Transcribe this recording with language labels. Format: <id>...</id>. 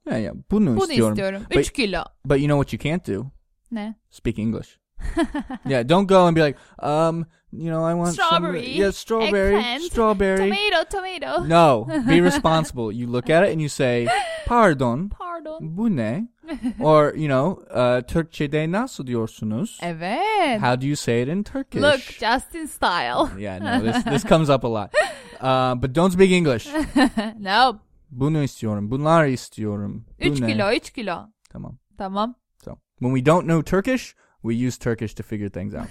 <tr>Yeah, bunu istiyorum. 3 kilo.</tr> <en>But you know what you can't do?</en> <tr>Ne?</tr> <en>Speak English. Yeah, don't go and be like, you know, I want strawberry. Some, yeah, strawberry. Eggplant, strawberry. Tomato. No, be responsible. You look at it and you say, pardon.</en> <tr>Pardon. Bu ne?</tr> <en>Or, you know,</en> <tr>Türkçe'de nasıl diyorsunuz? Evet.</tr> <en>How do you say it in Turkish? Look, Justin style. Yeah, no, this comes up a lot. But don't speak English. No.</en> <tr>Bunu istiyorum. Bunlar istiyorum. 3 kilo. Tamam. Tamam.</tr> <en>So, when we don't know Turkish, we use Turkish to figure things out.</en>